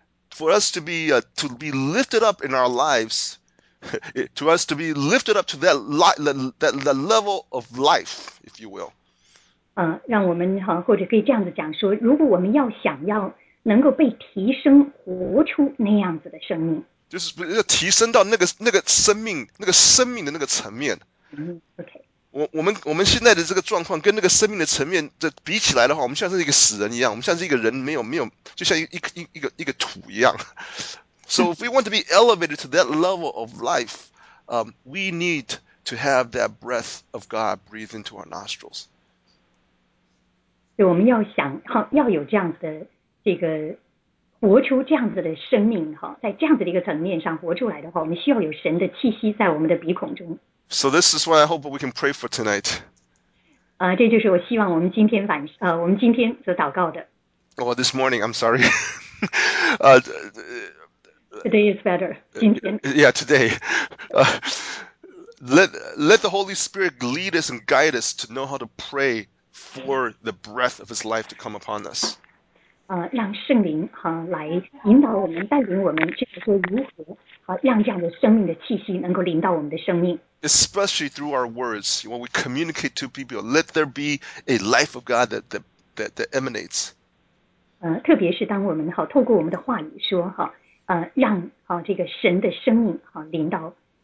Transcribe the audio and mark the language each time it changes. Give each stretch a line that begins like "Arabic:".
English: For us to be lifted up in our lives, to us to be lifted up to that level of life, if you will.
Chinese: 让我们或者可以这样子讲说，如果我们要想要能够被提升，活出那样子的生命。就是提升到那个生命，那个生命的那个层面。
English: Okay.
Chinese: 我们现在的这个状况跟那个生命的层面的比起来的话，我们像是一个死人一样，我们像是一个人没有，就像一个土一样。
English: So if we want to be elevated to that level of life, we need to have that breath of God breathe into our nostrils.
Chinese: 对，我们要想要有这样的这个活出这样子的生命，在这样子的一个层面上活出来的话，我们需要有神的气息在我们的鼻孔中。
English: So this is what I hope we can pray for tonight.
Chinese: 这就是我希望我们今天晚我们今天所祷告的。
English: Oh, this morning, I'm sorry. Today is better.
Chinese: 今天。
English: Yeah, today. Let the Holy Spirit lead us and guide us to know how to pray for the breath of His life to come upon us.
Chinese: 让圣灵来引导我们，带领我们，就是说如何让这样的生命的气息能够临到我们的生命。
English: Especially through our words, when we communicate to people, let there be a life of God that emanates.
Chinese: 特别是当我们透过我们的话语说让这个神的生命临到。